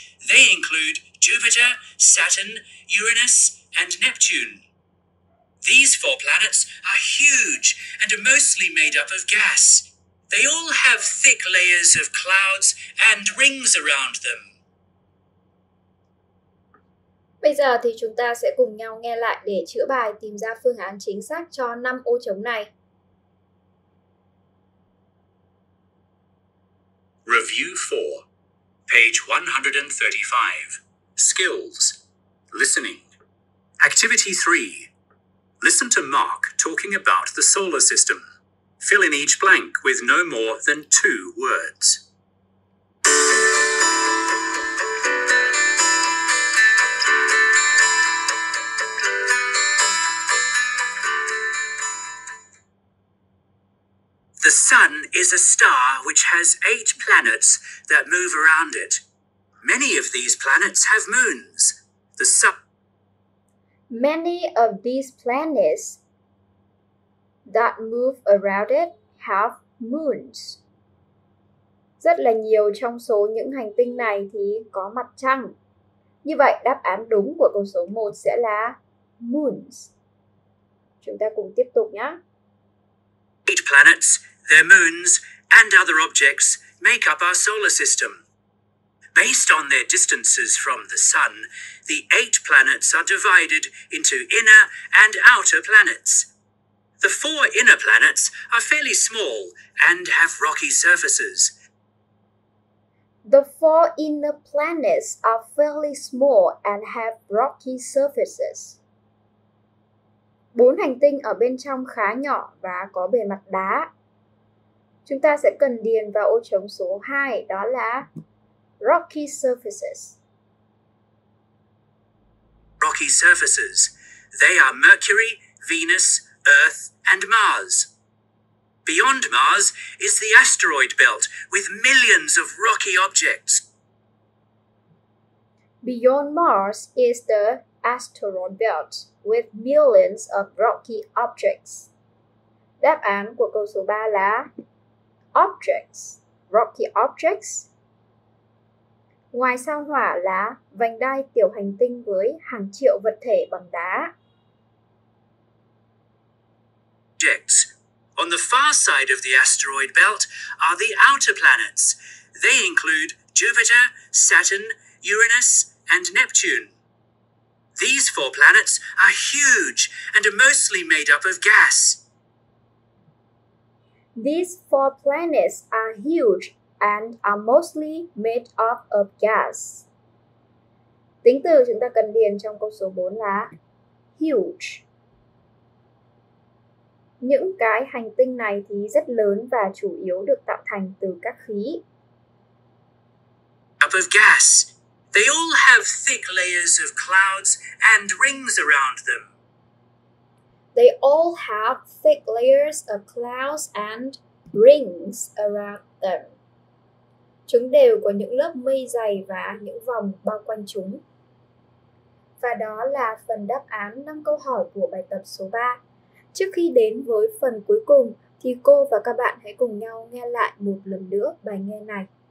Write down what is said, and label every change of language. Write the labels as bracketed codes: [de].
[en] They include Jupiter, Saturn, Uranus, and Neptune. These four planets are huge and are mostly made up of gas. They all have thick layers of clouds and rings around them. [vi] Bây giờ thì chúng ta sẽ cùng nhau nghe lại để chữa bài tìm ra phương án chính xác cho 5 ô trống này. [en] Review 4, page 135. Skills. Listening. Activity 3. Listen to Mark talking about the solar system. Fill in each blank with no more than 2 words. The Sun is a star which has 8 planets that move around it. Many of these planets have moons. Many of these planets that move around it have moons. [vi] Rất là nhiều trong số những hành tinh này thì có mặt trăng. Như vậy, đáp án đúng của câu số 1 sẽ là moons. Chúng ta cùng tiếp tục nhé. [en] 8 planets, their moons, and other objects make up our solar system. Based on their distances from the Sun, the 8 planets are divided into inner and outer planets. The four inner planets are fairly small and have rocky surfaces. The four inner planets are fairly small and have rocky surfaces. [vi] Bốn hành tinh ở bên trong khá nhỏ và có bề mặt đá. Chúng ta sẽ cần điền vào ô trống số 2, đó là [en] rocky surfaces. Rocky surfaces. They are Mercury, Venus, Earth, and Mars. Beyond Mars is the asteroid belt with millions of rocky objects. Beyond Mars is the asteroid belt with millions of rocky objects. [vi] Đáp án của câu số 3 là [en] objects, rocky objects. [vi] Ngoài sao hỏa là vành đai tiểu hành tinh với hàng triệu vật thể bằng đá. [en] Objects. On the far side of the asteroid belt are the outer planets. They include Jupiter, Saturn, Uranus, and Neptune. These four planets are huge and are mostly made up of gas. These four planets are huge and are mostly made up of gas. [vi] Tính từ chúng ta cần điền trong câu số 4 là huge. Những cái hành tinh này thì rất lớn và chủ yếu được tạo thành từ các khí. [en] Up of gas. They all have thick layers of clouds and rings around them. They all have thick layers of clouds and rings around them. [vi] Chúng đều có những lớp mây dày và những vòng bao quanh chúng. Và đó là phần đáp án 5 câu hỏi của bài tập số 3. Trước khi đến với phần cuối cùng, thì cô và các bạn hãy cùng nhau nghe lại một lần nữa bài nghe này.